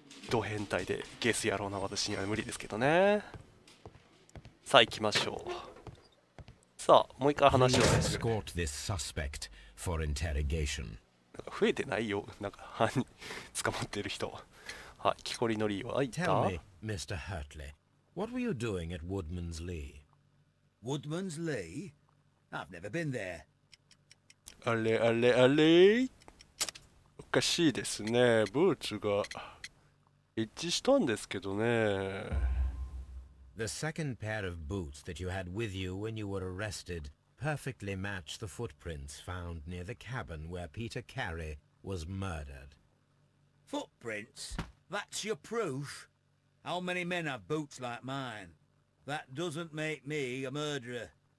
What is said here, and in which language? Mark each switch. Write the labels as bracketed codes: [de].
[ja] ド変態でゲス野郎な私には無理ですけどね。さあ行きましょう。さあもう一回話をする。エスコートです。サスペクトフォーインテリゲーション。なんか増えてないよ。なんか犯人捕まってる人。はい、木こりのリーはいった。 [en] Tell me, Mr. Hartley, what were you doing at Woodman's Lee? Woodman's Lee? I've never been there. [ja] あれあれあれ。おかしいですね。ブーツが。一致したんですけどね。 [en] The second pair of boots that you had with you when you were arrested perfectly matched the footprints found near the cabin where Peter Carey was murdered. Footprints? That's your proof? How many men have boots like mine? That doesn't make me a murderer.